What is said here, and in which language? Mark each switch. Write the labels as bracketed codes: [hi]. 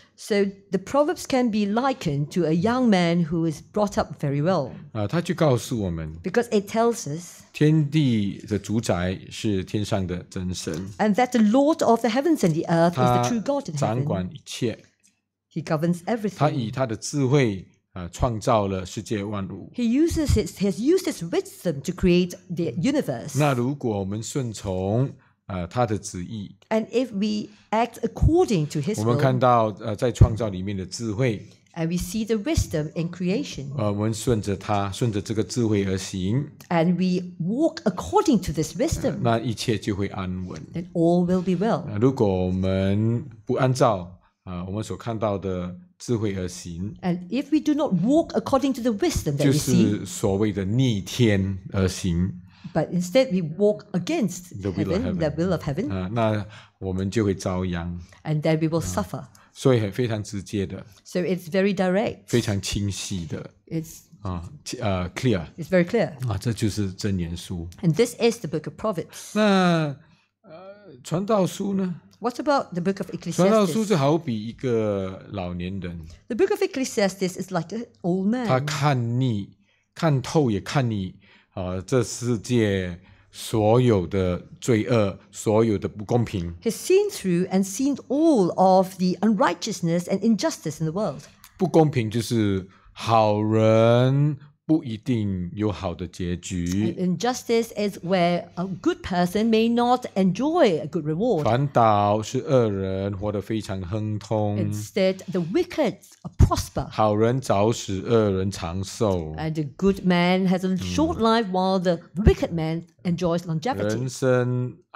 [en] So the Proverbs can be likened to a young man who is brought up very well. [zh] 他就告诉我们。 [en] Because it tells us. [zh] 天地的主宰是天上的真神。 [en] And that the Lord of the heavens and the earth is the true God in heaven. [zh] 掌管一切。 [en] He governs everything. [zh] 他以他的智慧。创造了世界万物。 [en] He has used his wisdom to create the universe. [zh] 那如果我们顺从他的旨意。 [en] And if we act according to his will. [zh] 我们看到在创造里面的智慧。 [en] And we see the wisdom in creation. [zh] 我们顺着他，顺着这个智慧而行。 [en] And we walk according to this wisdom. [zh] 那一切就会安稳。 [en] Then all will be well. [zh] 如果我们不按照我们所看到的。智慧而行, [en] and if we do not walk according to the wisdom that we see, [zh] 就是所谓的逆天而行, [en] but instead we walk against the will of heaven, [zh] 那我们就会遭殃, [en] and then we will suffer. [zh] 所以非常直接的, [en] so it's very direct, [zh] 非常清晰的, [en] it's clear. It's very clear. [zh] 这就是真言书。 [en] And this is the book of Proverbs. [zh] 那传道书呢？ [en] What about the book of Ecclesiastes? [zh] 传道书就好比一个老年人。 [en] The book of Ecclesiastes is like an old man. [zh] 他看透也看你, 这世界 所有的罪恶，所有的不公平。 [en] He's seen through and seen all of the unrighteousness and injustice in the world. [zh] 不公平就是好人不一定有好的结局。 [en] Injustice is where a good person may not enjoy a good reward. [zh] 反倒是恶人活得非常亨通。 [en] Instead, the wicked prosper. [zh] 好人早死，恶人长寿。 [en] And a good man has a short life while the wicked man enjoys longevity.